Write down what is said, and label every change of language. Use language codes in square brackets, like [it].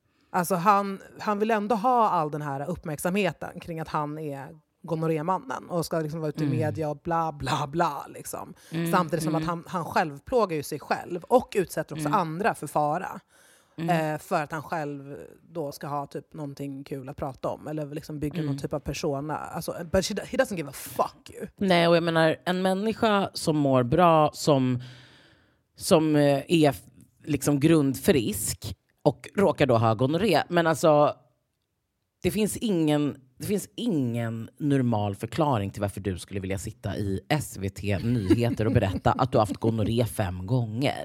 [sv] Alltså han vill ändå ha all den här uppmärksamheten kring att han är gonorrémannen och ska liksom vara ute i media och bla bla bla liksom. Samtidigt som att han själv plågar ju sig själv och utsätter också andra för fara. För att han själv då ska ha typ någonting kul att prata om eller liksom bygga någon typ av persona. Alltså, [en] but he doesn't give a fuck you. [sv] Nej, och jag menar, en människa som mår bra, som är liksom grundfrisk och råkar då ha gonorré, men alltså det finns ingen normal förklaring till varför du skulle vilja sitta i SVT Nyheter och berätta att du haft gonorré 5 gånger.